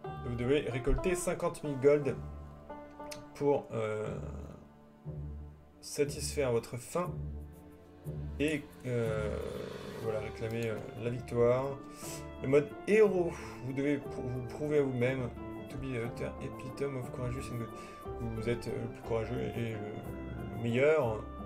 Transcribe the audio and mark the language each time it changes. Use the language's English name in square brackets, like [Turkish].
[French] Vous devez récolter 50 000 gold pour satisfaire votre faim et voilà, réclamer la victoire. Le mode héros, vous devez vous prouver à vous-même. [English] To be the utter epitome of courageous and good. [French] Vous êtes le plus courageux et le meilleur.